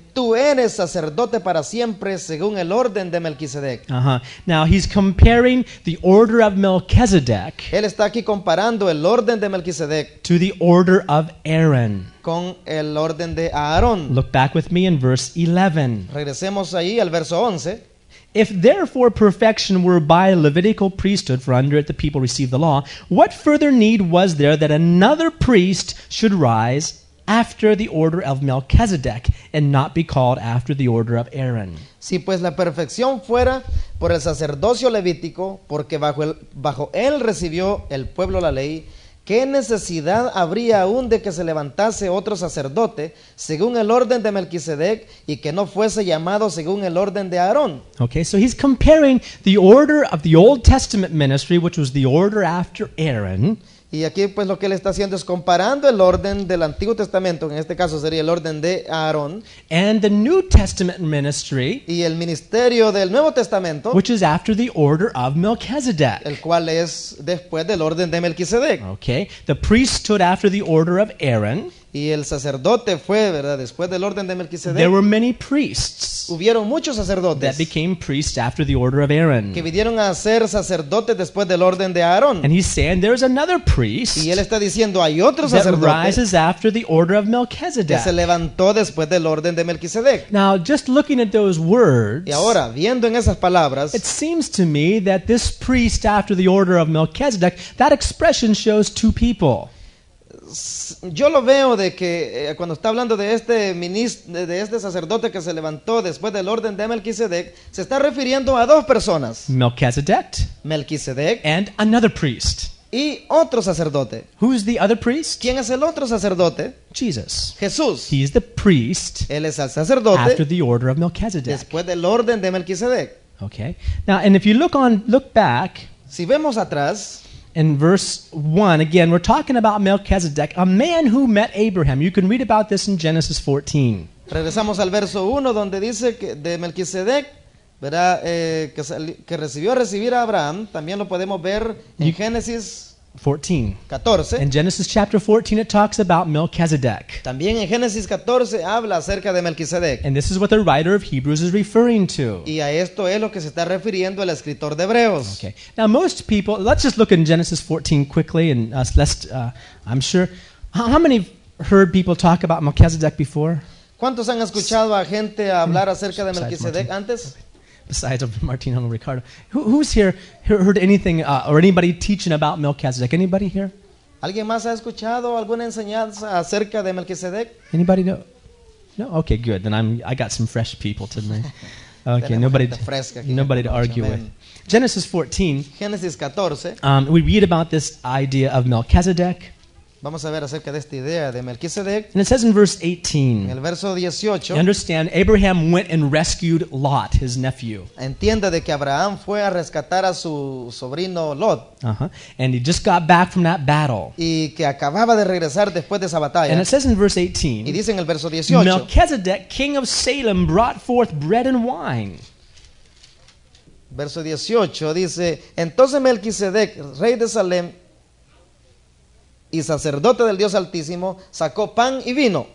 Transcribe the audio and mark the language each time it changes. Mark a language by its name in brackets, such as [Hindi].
[Spanish] Tú eres sacerdote para siempre según el orden de Melquisedec. [English] Now he's comparing the order of Melchizedek. [Spanish] Él está aquí comparando el orden de Melquisedec [English] to the order of Aaron. [Spanish] Con el orden de Aarón. [English] Look back with me in verse 11. [Spanish] Regresemos ahí al verso 11. [English] If therefore perfection were by Levitical priesthood, for under it the people received the law, what further need was there that another priest should rise after the order of Melchizedek and not be called after the order of Aaron? [Spanish] Si pues la perfección fuera por el sacerdocio levítico, porque bajo él recibió el pueblo la ley, ¿qué necesidad habría aún de que se levantase otro sacerdote según el orden de Melquisedec y que no fuese llamado según el orden de Aarón? [English] Okay, so he's comparing the order of the Old Testament ministry, which was the order after Aaron. [Spanish] Y aquí pues lo que él está haciendo es comparando el orden del Antiguo Testamento, en este caso sería el orden de Aarón, [English] and the New Testament ministry, [Spanish] y el ministerio del Nuevo Testamento, [English] which is after the order of Melchizedek, [Spanish] el cual es después del orden de Melquisedec. [English] Okay, the priesthood after the order of Aaron. [Spanish] Y el sacerdote fue, ¿verdad?, después del orden de Melquisedec. [English] There were many priests. [Spanish] Hubieron muchos sacerdotes. [English] That became priests after the order of Aaron. [Spanish] Que vinieron a ser sacerdotes después del orden de Aarón. [English] And he's saying there's another priest. [Spanish] Y él está diciendo hay otro sacerdote. [English] That rises after the order of Melchizedek. [Spanish] Que se levantó después del orden de Melquisedec. [English] Now, just looking at those words. [Spanish] Y ahora, viendo en esas palabras, [English] it seems to me that this priest after the order of Melchizedek, that expression shows two people. [Spanish] Yo lo veo de que cuando está hablando de este ministro, de este sacerdote que se levantó después del orden de Melquisedec, se está refiriendo a dos personas. [English] Melquisedec. And another priest. [Spanish] Y otro sacerdote. [English] Who's the other priest? [Spanish] ¿Quién es el otro sacerdote? [English] Jesus. [Spanish] Jesús. [English] He's the priest. [Spanish] Él es el sacerdote. [English] After the order of Melchizedek. [Spanish] Después del orden de Melquisedec. [English] Okay. Now, and if you look back. [Spanish] Si vemos atrás. [English] In verse 1, again, we're talking about Melchizedek, a man who met Abraham. You can read about this in Genesis 14. [Spanish] Regresamos al verso 1, donde dice que de Melquisedec, ¿verdad? Que recibió recibir a Abraham. También lo podemos ver en Génesis [English] 14. In Genesis chapter 14, it talks about Melchizedek. [Spanish] También en Génesis 14 habla acerca de Melquisedec. [English] And this is what the writer of Hebrews is referring to. [Spanish] Y a esto es lo que se está refiriendo el escritor de Hebreos. [English] Okay. Now most people, let's just look in Genesis 14 quickly, and I'm sure, how many heard people talk about Melchizedek before? [Spanish] ¿Cuántos han escuchado a gente hablar acerca de Melquisedek antes? [English] Besides of Martin and Ricardo, who's here heard anything or anybody teaching about Melchizedek? Anybody here? [Spanish] ¿Alguien más ha escuchado alguna enseñanza acerca de Melquisedec? [English] Anybody know? No. Okay, good. Then I got some fresh people today. Okay, nobody to argue with. Genesis 14. Genesis 14. We read about this idea of Melchizedek. [Spanish] Vamos a ver acerca de esta idea de Melquisedec. [English] And it says in verse 18. [Spanish] En el verso 18. [English] You understand, Abraham went and rescued Lot, his nephew. [Spanish] Entienda de que Abraham fue a rescatar a su sobrino Lot. [English] And he just got back from that battle. [Spanish] Y que acababa de regresar después de esa batalla. [English] And it says in verse 18. [Spanish] Y dice en el verso 18. [English] Melchizedek, king of Salem, brought forth bread and wine. [Spanish] Verso 18 dice, entonces Melquisedec, rey de Salem, y sacerdote del Dios Altísimo, sacó pan y vino.